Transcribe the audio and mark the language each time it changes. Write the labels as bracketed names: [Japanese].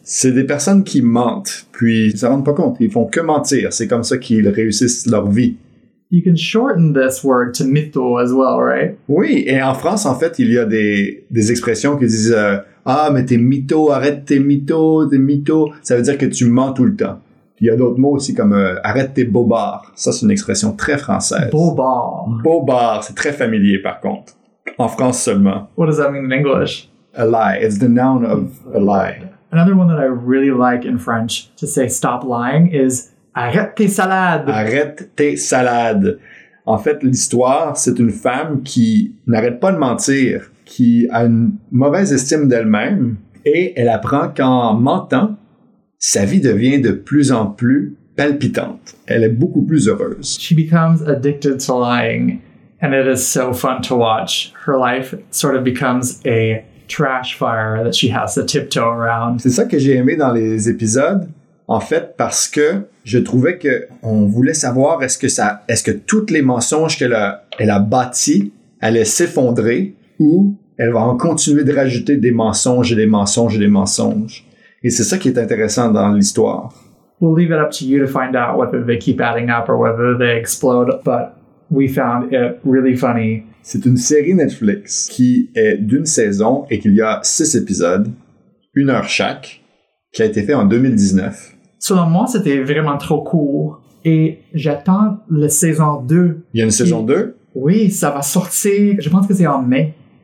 [French] C'est des personnes qui mentent, puis ils ne se rendent pas compte. Ils font que mentir. C'est comme ça qu'ils réussissent leur vie. [English] You can shorten this word to mytho as well, right? [French] Oui, et en France, en fait, il y a des expressions qui disent « Ah, mais t'es mytho, arrête tes mytho. » Ça veut dire que tu mens tout le temps. Il y a d'autres mots aussi comme « arrête tes bobards ». Ça, c'est une expression très française. Bobards. Bobards, c'est très familier, par contre. En France seulement. [English] What does that mean in English? A lie. It's the noun of a lie. Another one that I really like in French to say stop lying is [French] arrête tes salades. Arrête tes salades. En fait, l'histoire, c'est une femme qui n'arrête pas de mentir, qui a une mauvaise estime d'elle-même et elle apprend qu'en mentant, sa vie devient de plus en plus palpitante. Elle est beaucoup plus heureuse. [English] She becomes addicted to lying and it is so fun to watch. Her life sort of becomes a trash fire that she has to tiptoe around. [French] C'est ça que j'ai aimé dans les épisodes, en fait, parce que je trouvais qu'on voulait savoir est-ce que toutes les mensonges qu'elle a bâtis allaient s'effondrer ou elle va en continuer de rajouter des mensonges et des mensonges et des mensonges. Et c'est ça qui est intéressant dans l'histoire. [English] We'll leave it up to you to find out whether they keep adding up or whether they explode, but we found it really funny. [French] C'est une série Netflix qui est d'une saison et qu'il y a 6 épisodes, une heure chaque, qui a été fait en 2019. Selon moi, c'était vraiment trop court et j'attends la saison 2. Il y a une saison 2? Oui, ça va sortir, je pense que c'est en mai.